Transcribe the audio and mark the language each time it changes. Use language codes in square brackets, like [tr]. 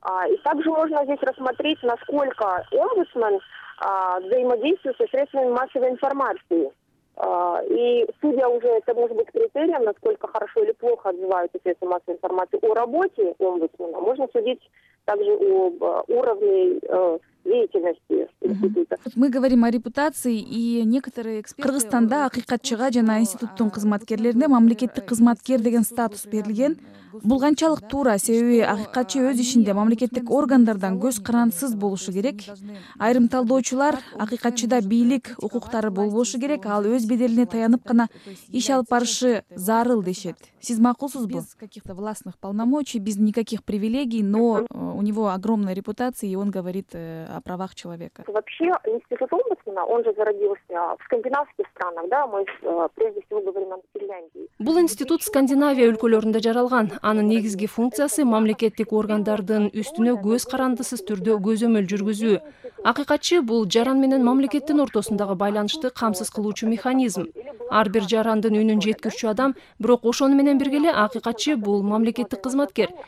[ru] И также можно здесь рассмотреть, насколько омбудсмен взаимодействует со средствами массовой информации. И судя уже, это может быть критерием, насколько хорошо или плохо отзываются средства массовой информации о работе омбудсмена, можно судить также об уровне деятельности института. Вот мы говорим о репутации, и некоторые эксперты... [ky] Кыргызстанда акыйкатчыга жана институттун кызматкерлерине мамлекеттик кызматкер деген статус берилген. Бул канчалык туура? Себеби акыйкатчы өз ишинде мамлекеттик органдардан көз карансыз болушу керек. Айрым талдоочулар акыйкатчыда бийлик укуктары болбошу керек, ал өз беделине таянып гана иш алып барышы зарыл дешет. Сиз макулсузбу? [ru] Без каких-то властных полномочий, без никаких привилегий, но у него огромная репутация, и он говорит о правах человека. Вообще, институт омбудсмена, он же зародился в скандинавских странах, да, мы прежде всего говорим о Финляндии. [ky] Бул институт Скандинавия өлкөлөрүндө жаралган. Анын негизги функциясы мамлекеттик органдардын үстүнө көз карандысыз түрдө көзөмөл жүргүзүү. Акыйкатчы бул жаран менен мамлекеттин ортосундагы байланышты камсыз кылуучу механизм. Ар бир жарандын үнүн жеткирүүчү адам, бирок ошону менен бирге эле акыйкатчы бул мамлекеттик кызматкер.